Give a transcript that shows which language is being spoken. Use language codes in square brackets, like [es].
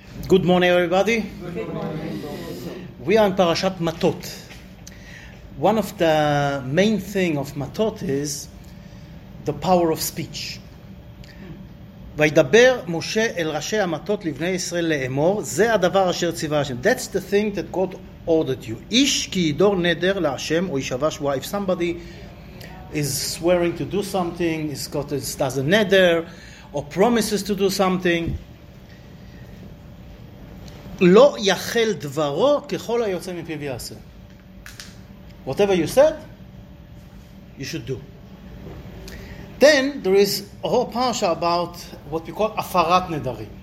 [en] Good morning, everybody. Good morning. We are in Parashat Matot. One of the main thing of Matot is the power of speech. [he] וידבר משה אל ראשי המטות לבני ישראל לאמור, זה הדבר אשר ציווה השם. [en] That's the thing that God ordered you. [he] איש כי ידור נדר להשם או ישבה שבועה. [en] If somebody is swearing to do something, is got does a nether, or promises to do something, [he] לא יחל דברו ככל היוצא מפיו יעשה. [en] Whatever you said, you should do. Then there is a whole parasha about what we call afarat nedarim.